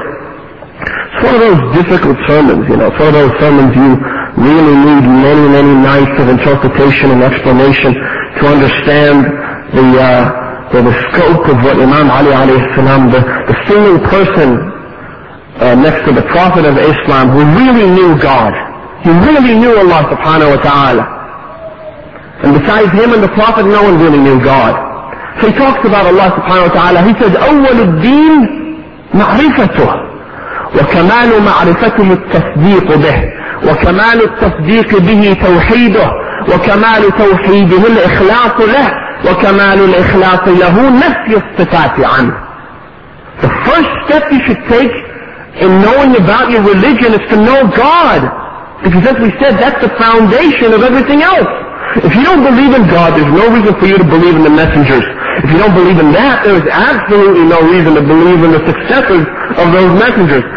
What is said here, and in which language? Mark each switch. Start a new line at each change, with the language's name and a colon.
English: It's one of those difficult sermons, you know. It's one of those sermons you really need many, many nights of interpretation and explanation to understand the scope of what Imam Ali alayhi salam, the single person next to the Prophet of Islam who really knew God. He really knew Allah subhanahu wa ta'ala. And besides him and the Prophet, no one really knew God. So he talks about Allah subhanahu wa ta'ala. He says,
Arabic: أول الدين معرفته وكمال معرفته التصديق به وكمال التصديق به توحيده وكمال توحيده الإخلاص له وكمال الإخلاص له نفي الصفات عنه.
English: The first step you should take in knowing about your religion is to know God. Because as we said, that's the foundation of everything else. If you don't believe in God, there's no reason for you to believe in the messengers. If you don't believe in that, there is absolutely no reason to believe in the successors of those messengers.